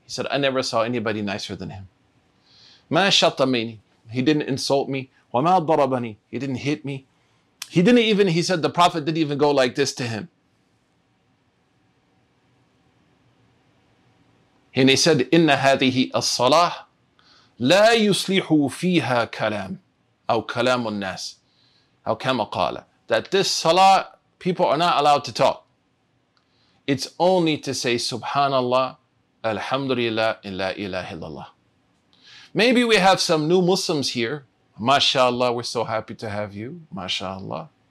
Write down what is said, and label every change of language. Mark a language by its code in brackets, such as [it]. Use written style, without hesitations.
[en] He said, I never saw anybody nicer than him. [ar] مَا شَطَمَنِي. [en] He didn't insult me. [ar] وَمَا ضَرَبَنِي. [en] He didn't hit me. He said, the Prophet didn't even go like this to him. And he said, [ar] إِنَّ هَذِهِ الصَّلَاةِ لَا يُصْلِحُ فِيهَا كَلَامُ أَوْ كَلَامُ النَّاسِ أَوْ كَمَا قَالَ. [en] That this salah, people are not allowed to talk. It's only to say Subhanallah, Alhamdulillah, and La ilaha illallah. Maybe we have some new Muslims here. MashaAllah, we're so happy to have you. MashaAllah.